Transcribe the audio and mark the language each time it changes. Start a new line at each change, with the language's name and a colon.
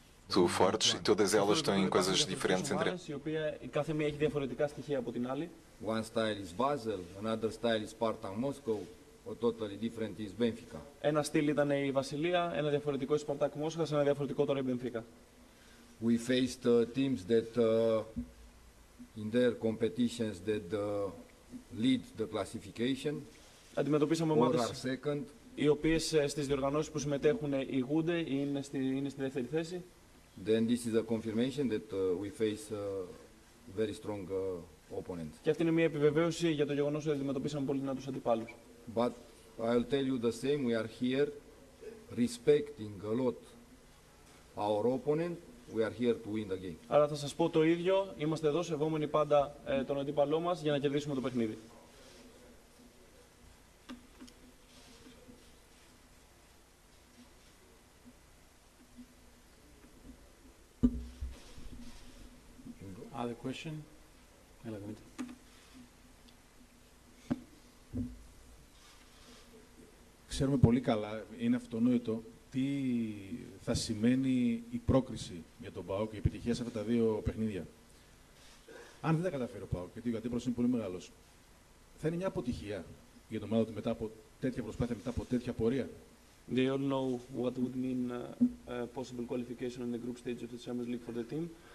Greek: Του φόρτς και όλες ελλες τον είναι κάποιες διαφορετικές εντρε. Η οποία η κάθε μία έχει διαφορετικά στοιχεία από την άλλη.
English: One style is Basel, another style is Spartak Moscow, or totally different is Benfica.
Greek: Ένα στυλ ήταν η Βασιλεία, ένα διαφορετικό η Spartak Moscow, ένα διαφορετικό τώρα η Benfica.
English: We faced teams that in their competitions that lead the classification.
Greek: Αντιμετωπίσαμε ομάδες οι οποίες στις διοργανώσεις που συμμετέχουν ηγούνται ή είναι στη δεύτερη θέση.
English: Then this is a confirmation that we face very strong opponent.
Greek: Και αυτή είναι μια επιβεβαίωση για το γεγονός ότι αντιμετωπίσαμε πολύ δυνατούς αντιπάλους.
English: But I'll tell you the same, we are here respecting a lot our opponent. We are here to win the game.
Greek: Άρα θα σας πω το ίδιο, είμαστε εδώ σεβόμενοι πάντα τον αντίπαλό μας για να κερδίσουμε το παιχνίδι.
English: Other question?
Greek: Έλα, Δημήτρη. Ξέρουμε πολύ καλά, είναι αυτονόητο, τι θα σημαίνει η πρόκριση για τον ΠΑΟΚ και η επιτυχία σε αυτά τα δύο παιχνίδια. Αν δεν τα καταφέρει ο ΠΑΟΚ, γιατί ο αντίπαλος είναι πολύ μεγάλος, θα είναι μια αποτυχία για τον ομάδα του μετά από τέτοια προσπάθεια, μετά από τέτοια πορεία.
English: They all know what would mean possible qualification in the group stage of the Champions League for the team.